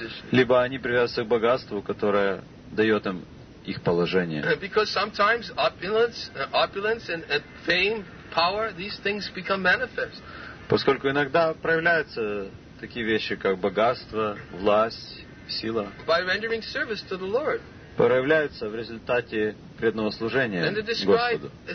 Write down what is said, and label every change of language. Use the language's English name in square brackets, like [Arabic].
[Russian] Либо они привязываются к богатству, которое дает им их положение. [English] Because sometimes opulence and fame, power, these things become manifest. [Russian] Поскольку иногда проявляются такие вещи, как богатство, власть, сила, проявляются в результате преданного служения Господу.